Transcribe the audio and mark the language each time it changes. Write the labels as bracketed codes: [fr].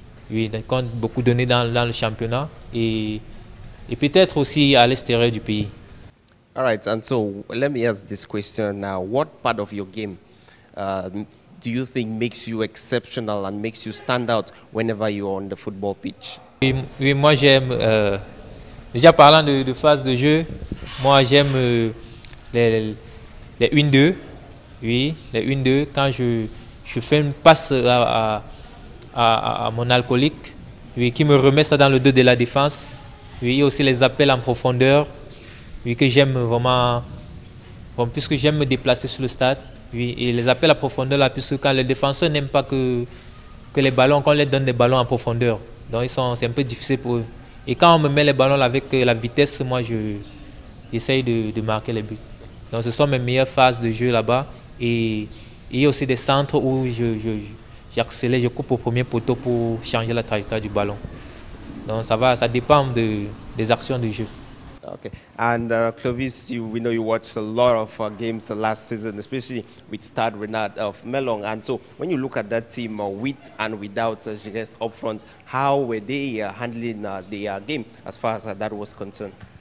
[fr] Oui, je compte beaucoup donner dans le championnat et peut-être aussi à l'extérieur du pays. [en] All right, and so let me ask this question now. What part of your game do you think makes you exceptional and makes you stand out whenever you're on the football pitch? [fr] Oui, moi j'aime, déjà parlant de phase de jeu, moi j'aime les 1-2. Oui, les 1-2, quand je fais une passe à mon alcoolique, oui, qui me remet ça dans le dos de la défense. Oui, et aussi les appels en profondeur. Oui, que j'aime vraiment, bon, puisque j'aime me déplacer sur le stade, oui, et les appels à profondeur là, puisque quand les défenseurs n'aiment pas que les ballons, qu'on leur donne des ballons en profondeur, donc c'est un peu difficile pour eux. Et quand on me met les ballons là, avec la vitesse, moi j'essaye de marquer les buts. Donc ce sont mes meilleures phases de jeu là-bas. Et il y a aussi des centres où j'accélère, je coupe au premier poteau pour changer la trajectoire du ballon. Donc ça dépend des actions de jeu. [en] Okay, and Clovis, we know you watched a lot of games last season, especially with Stade Rennais of Melong. And so, when you look at that team, with and without Jerez up front, how were they handling their game as far as that was concerned?